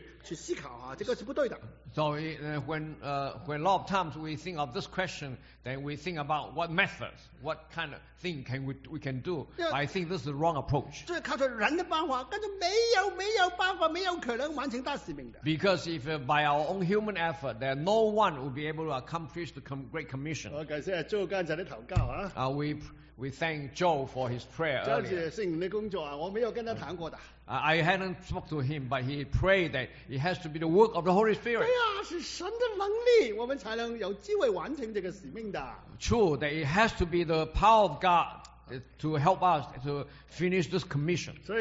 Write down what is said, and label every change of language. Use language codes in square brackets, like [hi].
[zh] 但很多时候我们看这段大使命的吩咐的时候啊，讲到要怎么完成的时候，我们马上的思维就是，有什么办法，什么行为啊？从这个角度去思考啊，这个是不对的。So [en] when a lot of times we think of this question, then we think about what methods, what kind of thing can we can do. I think this is the wrong approach. [zh] 这靠着人的办法，根本没有办法，没有可能完成大使命的。 [en] Because if by our own human effort, then no one will be able to accomplish the Great Commission. [zh] 我感谢Joe刚才的祷告啊。 [en] We thank Joe for his prayer earlier. I hadn't spoken to him, but he prayed that it has to be the work of the Holy Spirit. [zh] 对啊，是神的能力，我们才能有机会完成这个使命的。 [en] True, that it has to be the power of God to help us to finish this commission.